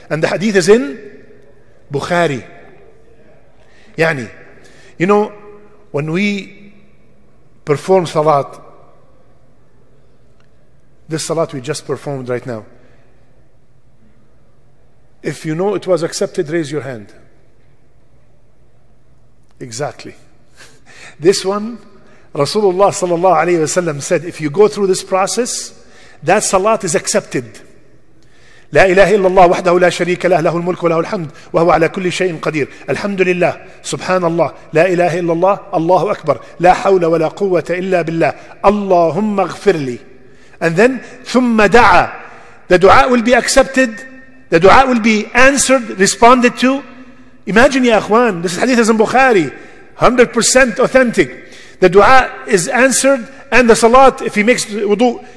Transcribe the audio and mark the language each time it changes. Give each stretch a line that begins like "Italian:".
English: And the hadith is in Bukhari. Yani, you know, when we perform salat, this salat we just performed right now, if you know it was accepted, raise your hand. Exactly. This one, Rasulullah sallallahu alayhi wa sallam said, if you go through this process, that salat is accepted.
Arabic: لا إله إلا الله وحده لا شريك له، له الملك وله الحمد وهو على كل شيء قدير. الحمد لله، سبحان الله، لا إله إلا الله، الله أكبر، لا حول ولا قوة إلا بالله، اللهم اغفر لي.
English: And then
Arabic: ثم دعا.
English: The dua will be accepted. The dua will be answered, responded to. Imagine, ya akhwan, this hadith is in Bukhari, 100% authentic. The dua is answered and the salat, if he makes wudu.